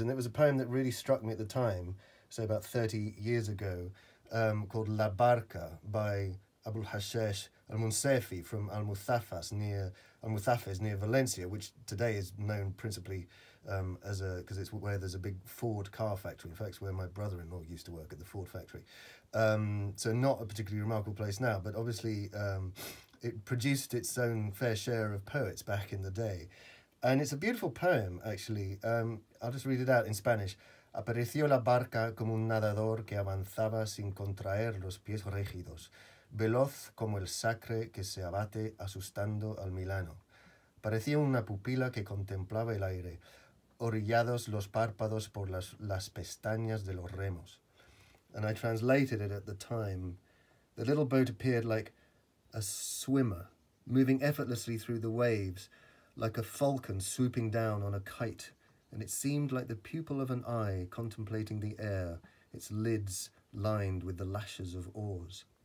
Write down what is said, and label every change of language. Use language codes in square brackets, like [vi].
[en] And it was a poem that really struck me at the time, so about 30 years ago, called La Barca by Abu'l Hashash, al-Munsafi, from Almussafes near Valencia, which today is known principally because it's where there's a big Ford car factory. In fact, it's where my brother-in-law used to work, at the Ford factory. So not a particularly remarkable place now, but obviously it produced its own fair share of poets back in the day. And it's a beautiful poem, actually. I'll just read it out in Spanish. [es] Apareció la barca como un nadador que avanzaba sin contraer los pies rígidos, veloz como el sacre que se abate asustando al milano. Parecía una pupila que contemplaba el aire, orillados los párpados por las pestañas de los remos. [en] And I translated it at the time. The little boat appeared like a swimmer, moving effortlessly through the waves, like a falcon swooping down on a kite, and it seemed like the pupil of an eye contemplating the air, its lids lined with the lashes of oars.